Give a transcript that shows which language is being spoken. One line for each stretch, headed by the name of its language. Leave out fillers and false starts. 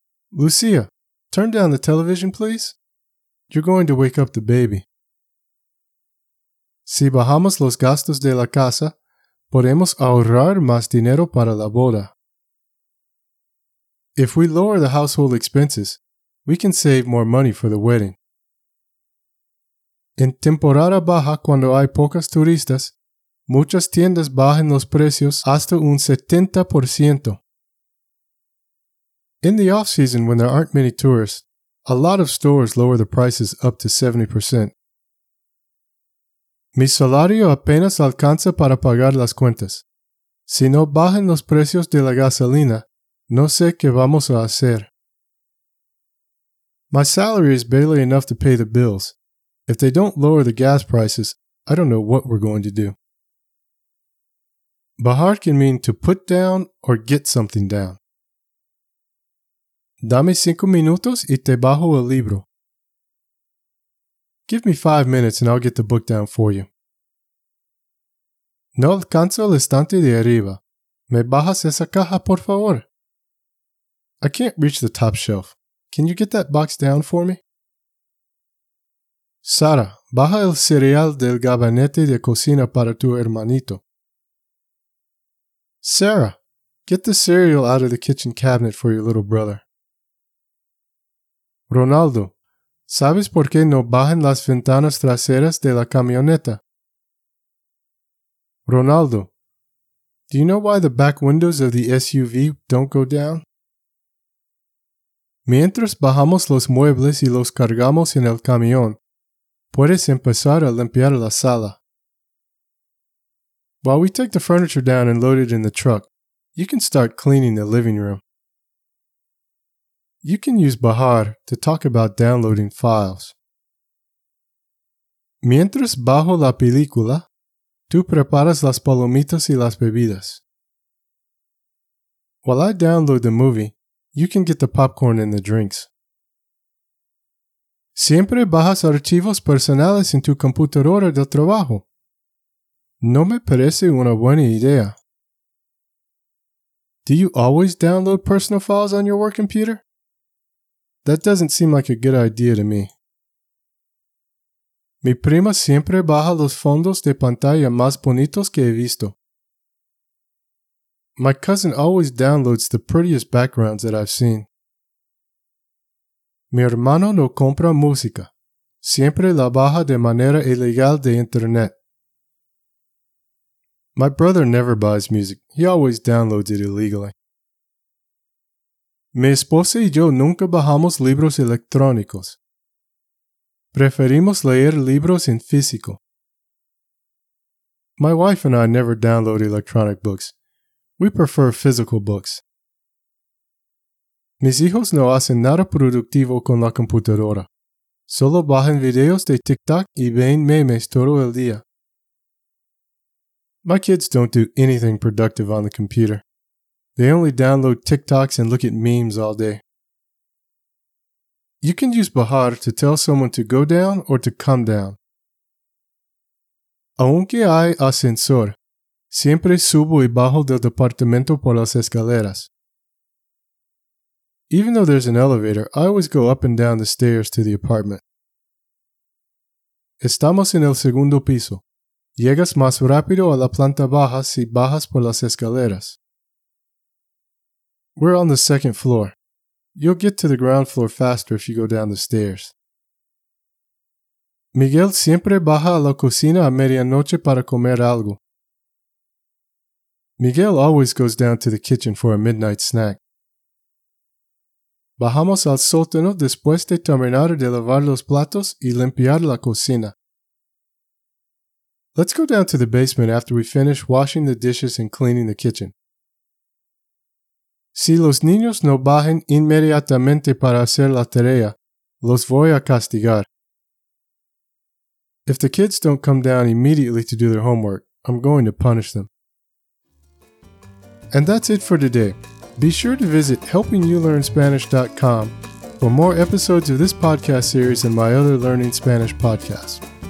English: Lucía, turn down the television, please. You're going to wake up the baby.
Spanish: Si bajamos los gastos de la casa, podemos ahorrar más dinero para la boda.
English: If we lower the household expenses, we can save more money for the wedding.
Spanish: En temporada baja, cuando hay pocas turistas, muchas tiendas bajan los precios hasta un 70%.
English: In the off-season, when there aren't many tourists, a lot of stores lower the prices up to 70%.
Spanish: Mi salario apenas alcanza para pagar las cuentas. Si no bajan los precios de la gasolina, no sé qué vamos a hacer.
English: My salary is barely enough to pay the bills. If they don't lower the gas prices, I don't know what we're going to do. Bajar can mean to put down or get something down.
Spanish: Dame 5 minutos y te bajo el libro.
English: Give me 5 minutes and I'll get the book down for you.
Spanish: No alcanzo el estante de arriba. ¿Me bajas esa caja, por favor?
English: I can't reach the top shelf. Can you get that box down for me?
Spanish: Sara, baja el cereal del gabinete de cocina para tu hermanito.
English: Sarah, get the cereal out of the kitchen cabinet for your little brother.
Spanish: Ronaldo, ¿sabes por qué no bajan las ventanas traseras de la camioneta?
English: Ronaldo, do you know why the back windows of the SUV don't go down?
Spanish: Mientras bajamos los muebles y los cargamos en el camión, puedes empezar a limpiar la sala.
English: While we take the furniture down and load it in the truck, you can start cleaning the living room. You can use Bahar to talk about downloading files.
Spanish: Mientras bajo la película, tú preparas las palomitas y las bebidas.
English: While I download the movie, you can get the popcorn and the drinks.
Spanish: Siempre bajas archivos personales en tu computadora de trabajo. No me parece una buena idea.
English: Do you always download personal files on your work computer? That doesn't seem like a good idea to me.
Spanish: Mi prima siempre baja los fondos de pantalla más bonitos que he visto.
English: My cousin always downloads the prettiest backgrounds that I've seen.
Spanish: Mi hermano no compra música. Siempre la baja de manera ilegal de internet.
English: My brother never buys music. He always downloads it illegally.
Spanish: Mi esposa y yo nunca bajamos libros electrónicos. Preferimos leer libros en físico.
English: My wife and I never download electronic books. We prefer physical books.
Spanish: Mis hijos no hacen nada productivo con la computadora. Solo bajan videos de TikTok y ven memes todo el día.
English: My kids don't do anything productive on the computer. They only download TikToks and look at memes all day. You can use Bahar to tell someone to go down or to come down.
Spanish: Aunque hay ascensor, siempre subo y bajo del departamento por las escaleras.
English: Even though there's an elevator, I always go up and down the stairs to the apartment.
Spanish: Estamos en el segundo piso. Llegas más rápido a la planta baja si bajas por las escaleras.
English: We're on the second floor. You'll get to the ground floor faster if you go down the stairs.
Spanish: Miguel siempre baja a la cocina a medianoche para comer algo.
English: Miguel always goes down to the kitchen for a midnight snack.
Spanish: Bajamos al sótano después de terminar de lavar los platos y limpiar la cocina.
English: Let's go down to the basement after we finish washing the dishes and cleaning the kitchen.
Spanish: Si los niños no bajen inmediatamente para hacer la tarea, los voy a castigar.
English: If the kids don't come down immediately to do their homework, I'm going to punish them. And that's it for today. Be sure to visit helpingyoulearnspanish.com for more episodes of this podcast series and my other Learning Spanish podcasts.